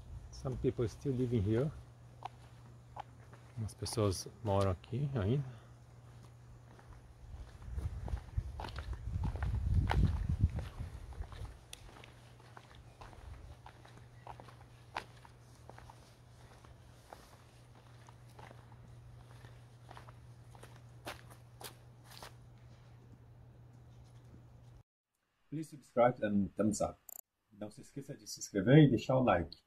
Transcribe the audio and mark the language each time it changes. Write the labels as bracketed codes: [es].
[en] Some people still living here. [pt] Umas pessoas moram aqui ainda. [en] Please subscribe and thumbs up. [pt] Não se esqueça de se inscrever e deixar o like.